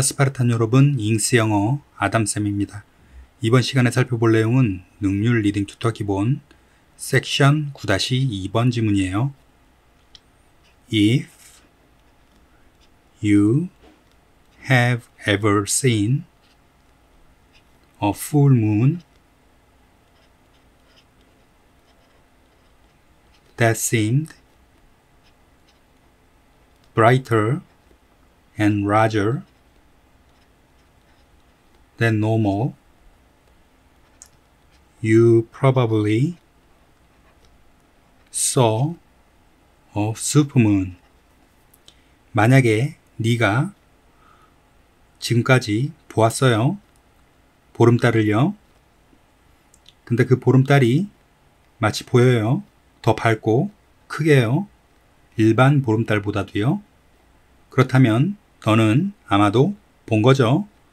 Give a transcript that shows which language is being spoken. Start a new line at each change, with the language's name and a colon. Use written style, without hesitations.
Korean: 스파르탄 여러분, 잉스 영어 아담쌤입니다. 이번 시간에 살펴볼 내용은 능률 리딩 투터 기본 섹션 9-2번 지문이에요.
English: If you have ever seen a full moon that seemed brighter and larger than normal, you probably saw a supermoon.
Korean: 만약에 네가 지금까지 보았어요. 보름달을요. 근데 그 보름달이 마치 보여요. 더 밝고 크게요. 일반 보름달보다도요. 그렇다면 너는 아마도 본 거죠?